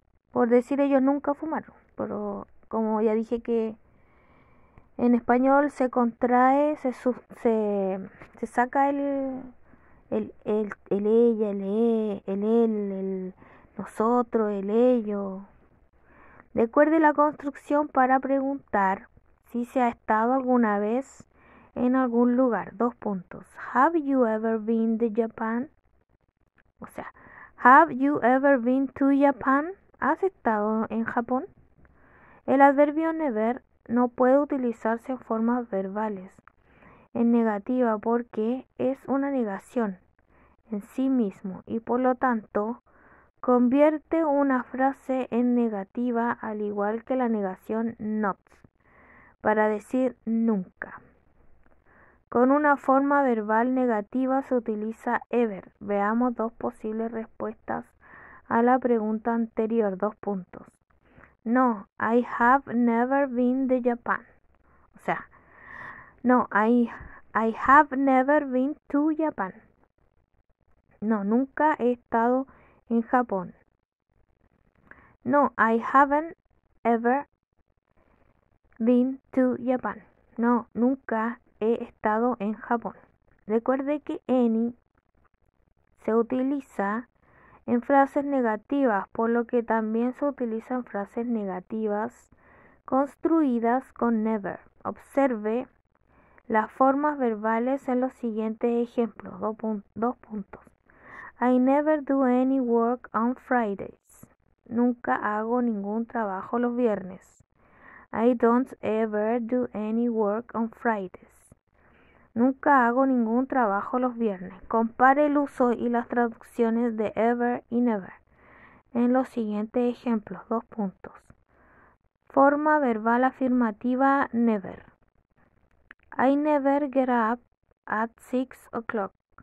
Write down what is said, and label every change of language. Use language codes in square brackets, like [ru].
[es] Por decir ellos nunca fumaron, pero como ya dije que en español se contrae, se saca el ella, el nosotros, el ello. Recuerde la construcción para preguntar si se ha estado alguna vez en algún lugar. Dos puntos. [en] Have you ever been to Japan? [es] O sea, [en] have you ever been to Japan? [es] ¿Has estado en Japón? El adverbio never no puede utilizarse en formas verbales, en negativa, porque es una negación en sí mismo y por lo tanto convierte una frase en negativa al igual que la negación not, para decir nunca. Con una forma verbal negativa se utiliza ever. Veamos dos posibles respuestas a la pregunta anterior. Dos puntos. [en] No, I have never been to Japan. [es] O sea, [en] no, I have never been to Japan. [es] No, nunca he estado en Japón. [en] No, I haven't ever been to Japan. [es] No, nunca he estado en Japón. Recuerde que any se utiliza en frases negativas, por lo que también se utilizan frases negativas construidas con never. Observe las formas verbales en los siguientes ejemplos. Dos puntos. [en] I never do any work on Fridays. [es] Nunca hago ningún trabajo los viernes. [en] I don't ever do any work on Fridays. [es] Nunca hago ningún trabajo los viernes. Compare el uso y las traducciones de ever y never en los siguientes ejemplos. Dos puntos. Forma verbal afirmativa never. [en] I never get up at 6 o'clock.